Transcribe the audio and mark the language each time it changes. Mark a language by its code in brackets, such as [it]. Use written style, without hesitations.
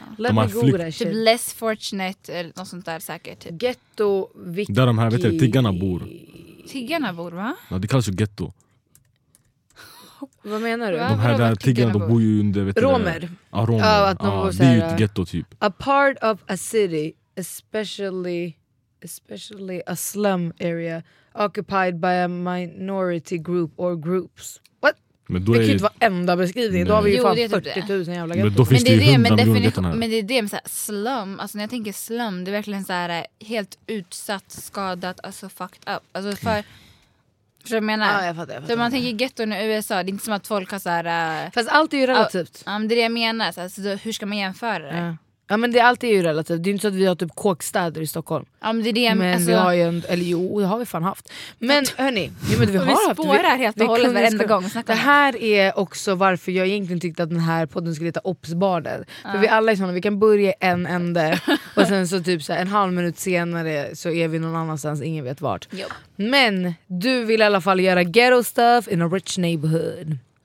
[sv] De har typ less fortunate eller något sånt där säkert. Ghetto, vicky. Där de här, vet du, tiggarna bor. Tiggarna bor, va? Ja, det kallas ju ghetto. Vad menar du? De här där tiggarna, de bor ju under, vet du, romer. Ja, romer. Ja, att de bor, det är ju ett ghetto typ. [en] A part of a city, especially a slum area occupied by a minority group or groups. What? [sv] Men då det är ju inte varenda beskrivning. Då har vi ju fan 40 000 jävla ghetto. Men då finns det ju 100 miljoner ghetto här. Men det är det med så här slum. Alltså när jag tänker slum, det är verkligen så här helt utsatt, skadat, alltså fucked up. Alltså för... För jag menar, jag fattar. Man tänker getton i USA, det är inte som att folk har så här. Fast allt är ju relativt. Ja, men det är det jag menar, så här, så hur ska man jämföra det? Ja, men det alltid är ju relativt. Det är inte så att vi har typ kåkstäder i Stockholm. Ja, men det är det jag menar. Alltså, det har vi fan haft. Men hörni, vi spårar helt och hållet varenda gång. Det här är också varför jag egentligen tyckte att den här podden skulle heta Opsbarnet. Ja. För vi alla är sådana, vi kan börja en ände. Och sen så typ så här, en halv minut senare så är vi någon annanstans, ingen vet vart. Jop. Men du vill i alla fall göra ghetto [en] stuff in a rich neighborhood.